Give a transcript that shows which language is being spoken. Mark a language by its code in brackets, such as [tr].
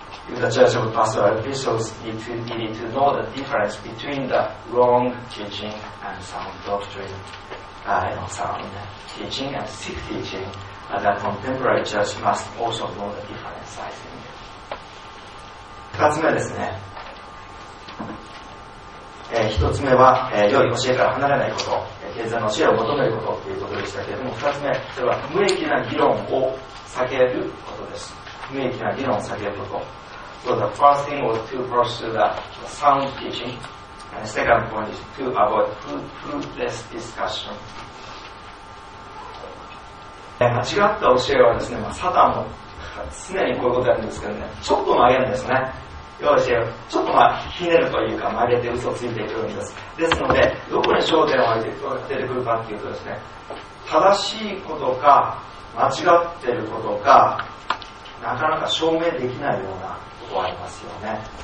[en] If the Church of Pastoral Epistles need to know the difference between the wrong teaching and sound doctrine, sound teaching and sick teaching,the contemporary church must also know the difference, I think. [ja] 二つ目ですね。一つ目は、良い教えから離れないこと、健全の教えを求めることということでしたけれども、二つ目、それは無益な議論を避けることです。無益な議論を避けること。 [en] So the first thing was to pursue the sound teaching, and the second point is to avoid fruitless discussion. [ja] 間違った教えはですね、まあ、サタンも常にこういうことやるんですけどね、ちょっと曲げるんですね、要するにちょっとまあひねるというか曲げて嘘ついてくるんです。ですのでどこに焦点を置いて出てくるかっていうとですね、正しいことか間違ってることかなかなか証明できないようなことがありますよね。